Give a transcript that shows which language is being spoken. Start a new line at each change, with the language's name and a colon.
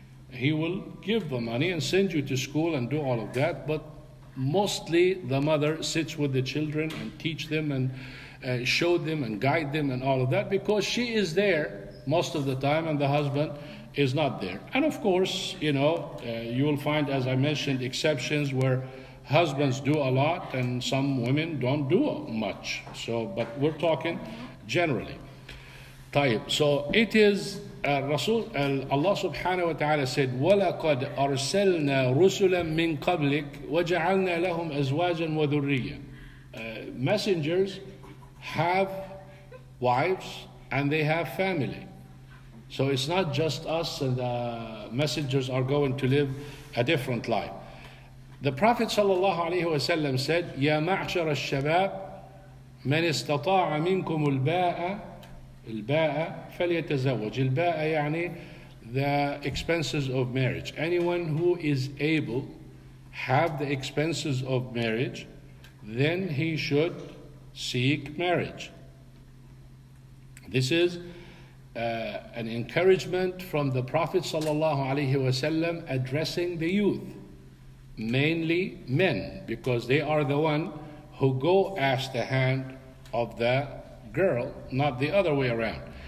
English: He will give the money and send you to school and do all of that, but mostly the mother sits with the children and teach them and show them and guide them and all of that, because she is there most of the time and the husband is not there. And of course, you know, you will find, as I mentioned, exceptions where husbands do a lot and some women don't do much. So, but we're talking generally.
Arabic: طيب.
English: So it is Allah subhanahu wa ta'ala said,
Arabic: وَلَقَدْ أَرْسَلْنَا رُسُلًا مِّن قَبْلِكَ وَجَعَلْنَا لَهُمْ أَزْوَاجًا وَذُرِّيًّا.
English: Messengers have wives and they have family. So it's not just us and the messengers are going to live a different life. The Prophet sallallahu alayhi wa sallam said,
Arabic: يَا مَعْشَرَ الشَّبَابِ مَنِ اسْتَطَاعَ مِنْكُمُ الْبَاءَ الْبَاءَ فَلْيَتَزَوَّجِ. الْبَاءَ يعني
English: the expenses of marriage. Anyone who is able have the expenses of marriage, then he should seek marriage. This is an encouragement from the Prophet sallallahu alayhi wa sallam addressing the youth, mainly men, because they are the one who go ask the hand of the girl, not the other way around.